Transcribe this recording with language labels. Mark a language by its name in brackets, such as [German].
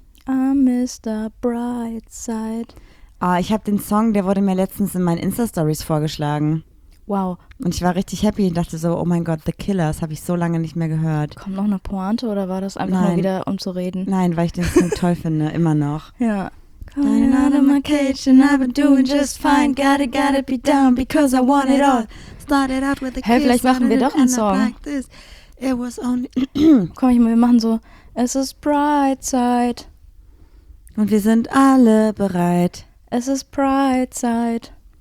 [English] Ah, Mr. Brightside. [German] Ah, ich habe den Song, der wurde mir letztens in meinen Insta-Stories vorgeschlagen. Wow. Und ich war richtig happy und dachte so, oh mein Gott, The Killers, habe ich so lange nicht mehr gehört. Kommt noch eine Pointe oder war das einfach mal wieder, um zu reden? Nein, weil ich den Song toll finde, immer noch. Ja. [English] Coming out of my cage and I've been doing just fine, gotta be down because I want it all. Started out with the kiss. [German] Hey, vielleicht machen wir doch einen Song. [English] It was only [German] Komm, wir machen so, es ist Pride-Zeit. Und wir sind alle bereit. Es ist Pride-Zeit.